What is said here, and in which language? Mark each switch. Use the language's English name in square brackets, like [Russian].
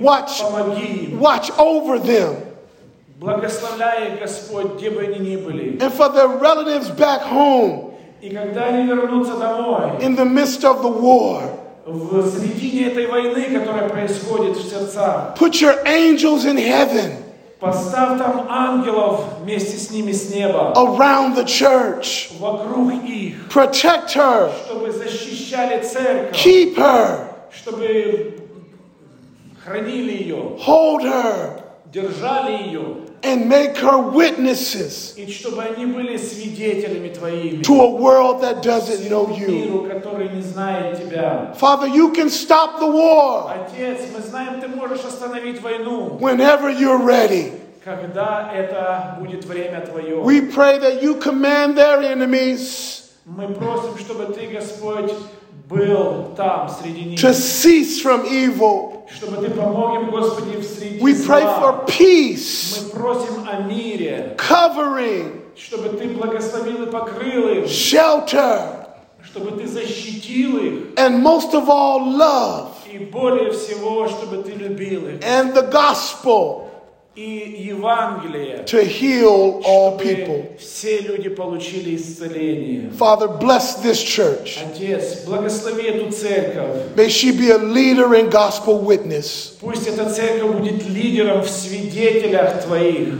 [English] Watch over them. And for their relatives back home in the midst of the war, put your angels in heaven. [Russian] Поставь там ангелов вместе с ними с неба. [English] Around the church. [Russian] Вокруг их. [English] Protect her. [Russian] Чтобы защищали церковь. [English] Keep her. [Russian] Чтобы хранили ее. [English] Hold her. [Russian] Держали ее. [English] And make her witnesses. [Russian] И чтобы они были свидетелями твоими. [English] To a world that doesn't know you. [Russian] Миру, который не знает тебя. [English] Father, you can stop the war. [Russian] Отец, мы знаем, ты можешь остановить войну. [English] Whenever you're ready. [Russian] Когда это будет время твое. [English] We pray that you command their enemies. [Russian] Мы просим, чтобы ты, Господь, был там среди них. [English] To cease from evil. [Russian] Чтобы ты помог им, Господи, в среди зла. [English] We pray for peace. [Russian] Мы просим о мире. [English] Covering. [Russian] Чтобы ты благословил и покрыл их. [English] Shelter. [Russian] чтобы ты защитил их. [English] And most of all, love. [Russian] И более всего, чтобы ты любил их. [English] And the gospel. [Russian] И Евангелие. [English] To heal all people. [Russian] Все люди получили исцеление. [English] Father, bless this church. [Russian] Отец, благослови эту церковь. [English] May she be a leader in gospel witness. [Russian] Пусть эта церковь будет лидером в свидетелях твоих.